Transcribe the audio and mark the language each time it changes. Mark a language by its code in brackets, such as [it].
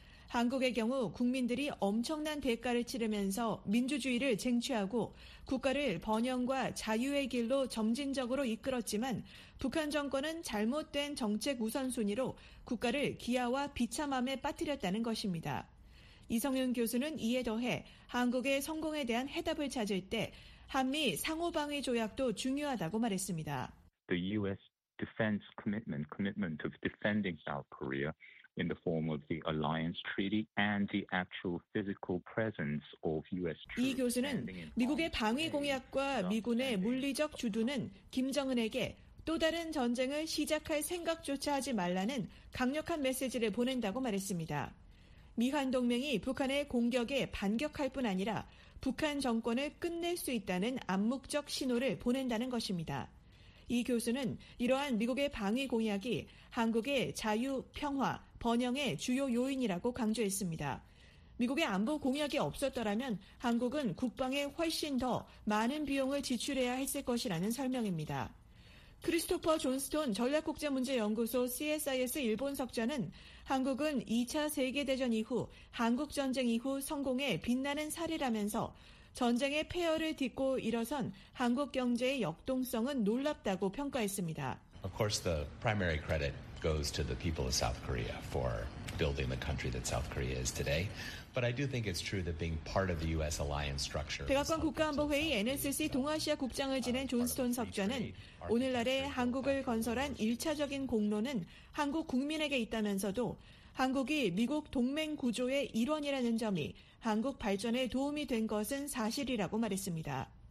[ko] 한국의 경우 국민들이 엄청난 대가를 치르면서 민주주의를 쟁취하고 국가를 번영과 자유의 길로 점진적으로 이끌었지만 북한 정권은 잘못된 정책 우선순위로 국가를 기아와 비참함에 빠뜨렸다는 것입니다. 이성윤 교수는 이에 더해 한국의 성공에 대한 해답을 찾을 때 한미 상호방위 조약도 중요하다고 말했습니다. [en] The U.S. defense commitment of defending South Korea in the form of the Alliance Treaty and the actual physical presence of U.S. troops. [ko] 이 교수는 미국의 방위 공약과 미군의 물리적 주둔은 김정은에게 또 다른 전쟁을 시작할 생각조차 하지 말라는 강력한 메시지를 보낸다고 말했습니다. 미한 동맹이 북한의 공격에 반격할 뿐 아니라 북한 정권을 끝낼 수 있다는 암묵적 신호를 보낸다는 것입니다. 이 교수는 이러한 미국의 방위 공약이 한국의 자유, 평화, 번영의 주요 요인이라고 강조했습니다. 미국의 안보 공약이 없었더라면 한국은 국방에 훨씬 더 많은 비용을 지출해야 했을 것이라는 설명입니다. 크리스토퍼 존스톤 전략국제문제연구소 CSIS 일본석좌는 한국은 2차 세계대전 이후 한국전쟁 이후 성공의 빛나는 사례라면서 전쟁의 폐허를 딛고 일어선 한국 경제의 역동성은 놀랍다고 평가했습니다. [en] Of course, the primary credit goes to the people of South Korea for building the country that South Korea is today. But I do think it's true that being part of the U.S. alliance structure. [ko] 백악관 국가안보회의 NSC 동아시아 국장을 지낸 존스톤 석좌는 오늘날의 한국을 건설한 1차적인 공로는 한국 국민에게 있다면서도 한국이 미국 동맹 구조의 일원이라는 점이 한국 발전에 도움이 된 것은 사실이라고 말했습니다.